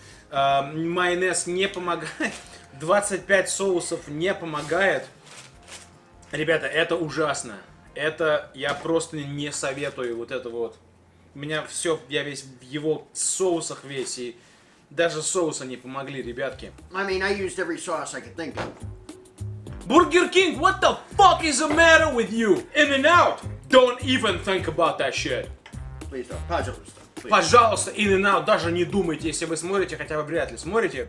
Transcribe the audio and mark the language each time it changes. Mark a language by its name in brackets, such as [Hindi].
[Russian] Майонез не помогает, 25 соусов не помогает. Ребята, это ужасно. Это я просто не советую вот это вот. У меня все, я весь в его соусах весь, и даже соусы не помогли, ребятки. [English] I mean, I used every sauce I could think of. Burger King, what the fuck is the matter with you? In-N-Out, don't even think about that shit. Please don't, [Russian] пожалуйста. Пожалуйста, In-N-Out, даже не думайте, если вы смотрите, хотя бы вряд ли смотрите.